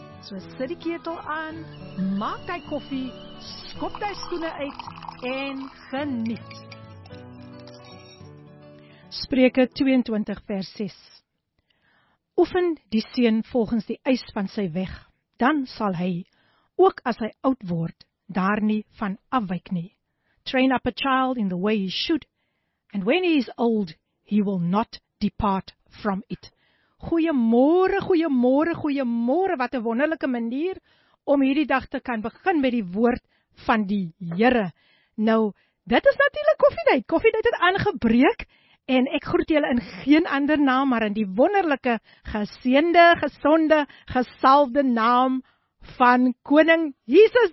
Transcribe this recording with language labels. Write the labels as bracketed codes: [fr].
[af] So sit die ketel aan, maak jy koffie, skop jy skoene uit en geniet. Spreuke 22 vers 6. Oefen die seun volgens die eis van sy weg, dan sal hy, ook as hy oud word, daar nie van afwyk nie. [en] Train up a child in the way he should, and when he is old, he will not depart from it. [af] Goeiemôre, wat 'n wonderlike manier om hierdie dag te kan begin met die woord van die Here. Nou, dit is natuurlik koffiedייט. Koffiedייט het aangebreek en ek groet julle in geen ander naam maar in die wonderlike, geseënde, gesonde, gesalfde naam van Koning Jesus.